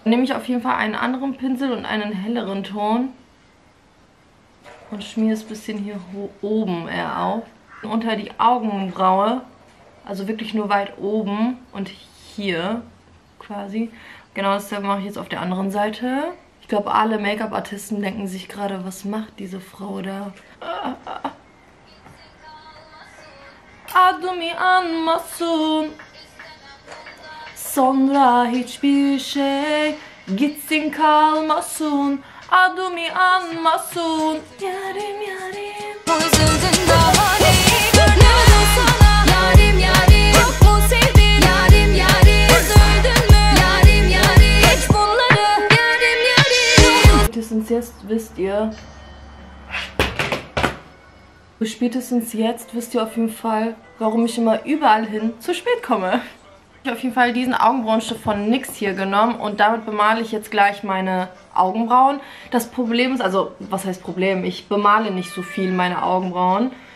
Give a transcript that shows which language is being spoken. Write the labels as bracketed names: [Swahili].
[German] Dann nehme ich auf jeden Fall einen anderen Pinsel und einen helleren Ton und schmiere es ein bisschen hier oben eher auf. Unter die Augenbraue, also wirklich nur weit oben und hier quasi. Genau dasselbe mache ich jetzt auf der anderen Seite. Ich glaube, alle Make-up-Artisten denken sich gerade, was macht diese Frau da? [Turkish] Adumi anmasun sonra hiçbir şey gitsin kalmasun adumi anmasun yarim yarim boğazımdın daha ne görmedim sana yarim yarim çok mu sevdin yarim yarim söyledin mi yarim yarim geç bunları yarim yarim [German] Spätestens jetzt wisst ihr. Spätestens jetzt wisst ihr auf jeden Fall, warum ich immer überall hin zu spät komme. Ich habe auf jeden Fall diesen Augenbrauenstift von NYX hier genommen und damit bemale ich jetzt gleich meine Augenbrauen. Das Problem ist, also was heißt Problem, ich bemale nicht so viel meine Augenbrauen.